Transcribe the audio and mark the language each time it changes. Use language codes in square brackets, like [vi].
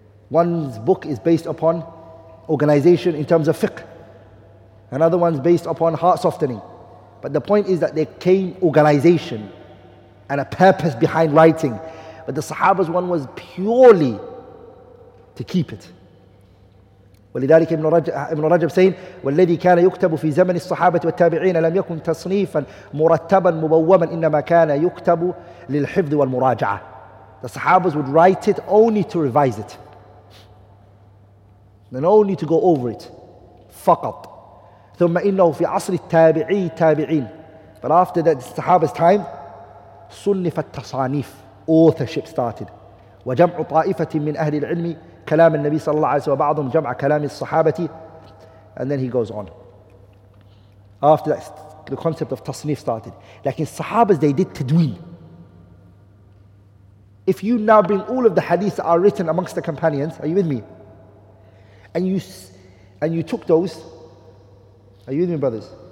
[en] One's book is based upon organization in terms of fiqh. Another one's based upon heart softening. But the point is that there came organization and a purpose behind writing. But the Sahaba's one was purely to keep it. [ar] ولذلك ابن رجب saying, والذي كان يكتب في زمن الصحابة والتابعين لم يكن تصنيفا مرتبا مبوما إنما كان يكتب للحفظ والمراجعة. [en] The Sahabas would write it only to revise it and only to go over it [ar] فقط. ثم إنه في عصر التابعين, [en] but after that, the Sahabas time, [ar] صنف التصانيف, [en] authorship started. [ar] وجمع طائفة من أهل العلم كلام النبي صلى الله عليه وسلم وبعضهم جمع كلام الصحابة. [en] And then he goes on. After that, the concept of tasnif started. [ar] لكن الصحابة, [en] they did tadween. If you now bring all of the hadiths that are written amongst the companions, are you with me? And you took those, are you with me, brothers?